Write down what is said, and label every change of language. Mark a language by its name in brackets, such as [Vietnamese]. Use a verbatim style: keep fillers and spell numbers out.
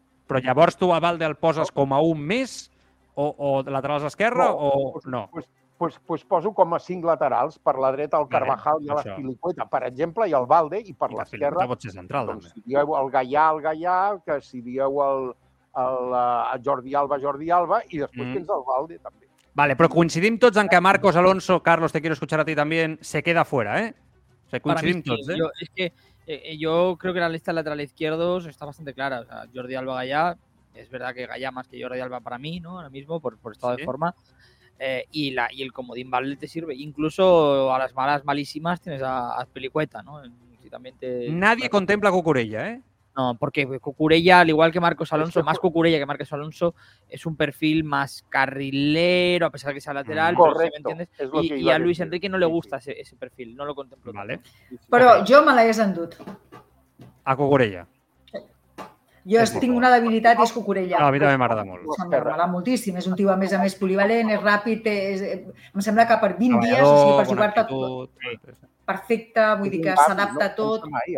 [Catalan] Però llavors tu a Valde el poses com a un més o, o laterals esquerra no, o pues, no? Pues, pues, pues poso com a cinc laterals per la dreta el Carvajal i la Filicueta, per exemple, i el Valde, i per l'esquerra... Pot ser central, doncs, si dieu el Gallà, el Gallà, que si dieu el, el, el Jordi Alba, Jordi Alba, i després mm. tens el Valde, també. Vale, però coincidim tots en que [Spanish] Marcos Alonso, Carlos, te quiero escuchar a ti también, se queda fuera, ¿eh? O sea, [Catalan] coincidim tots, ¿eh? [Spanish] Yo, es que eh, yo creo que la lista lateral izquierdos está bastante clara. O sea, Jordi Alba, Gallà, es verdad que Gallà más que Jordi Alba para mí, ¿no? Ahora mismo, por, por estado sí. de forma... Eh, y la y el comodín Valde te sirve. Incluso a las malas malísimas tienes a, a Pelicueta, ¿no? Si también te... Nadie contempla a Cucurella, ¿eh? No, porque Cucurella, al igual que Marcos Alonso, es que... más Cucurella que Marcos Alonso, es un perfil más carrilero, a pesar de que sea lateral. Correcto. Pero, ¿sí me entiendes? Y, y a Luis Enrique no le gusta ese, ese perfil, no lo contemplo. Vale. Pero yo [Catalan] me l'hagués endut. A Cucurella. Jo és tinc una debilitat i és Cucurella. No, a mi també m'agrada molt. M'agrada moltíssim. És un tio, a més a més, polivalent, és ràpid, és... em sembla que per vint dies, o sigui, per jugar-te tot, perfecte, vull dir que s'adapta a tot.